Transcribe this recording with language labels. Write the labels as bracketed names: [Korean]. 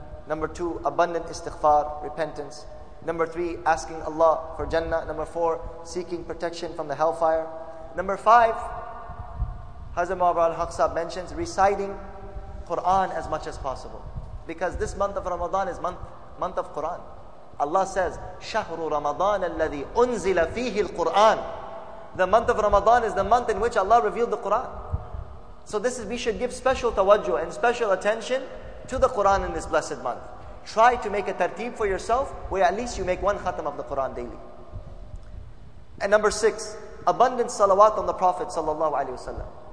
[English] Number two, abundant istighfar, repentance. Number three, asking Allah for Jannah. Number four, seeking protection from the hellfire. Number five, Hazrat Mawlana Abrar al-Haq Sahib mentions, reciting Quran as much as possible. Because this month of Ramadan is month of Quran. Allah says, [Arabic] شهر رمضان الذي أنزل فيه القرآن. [English] The month of Ramadan is the month in which Allah revealed the Quran. So this is, we should give special tawajjuh and special attention to the Quran in this blessed month. Try to make a tarteeb for yourself where at least you make one khatam of the Quran daily. And number six, abundant salawat on the Prophet sallallahu alayhi wa sallam.